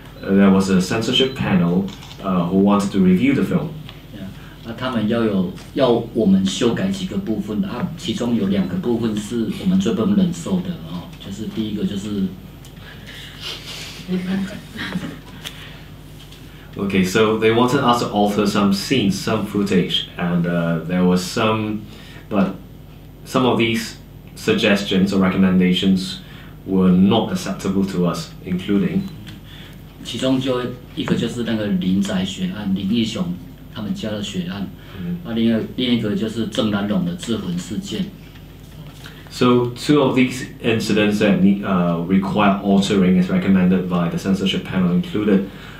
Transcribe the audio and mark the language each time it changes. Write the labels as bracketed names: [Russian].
[English] There was a censorship panel who wanted to review the film. [Chinese] Yeah, 他们要有要我们修改几个部分啊，其中有两个部分是我们最不能忍受的哦，就是第一个就是 [English] Okay, so they wanted us to alter some scenes, some footage, and there was some, but some of these suggestions or recommendations were not acceptable to us, including. [Chinese] 其中就一个就是那个林宅血案，林义雄他们家的血案，啊，另一个就是郑南榕的自焚事件。 [English] So two of these incidents that require altering as recommended by the censorship panel included.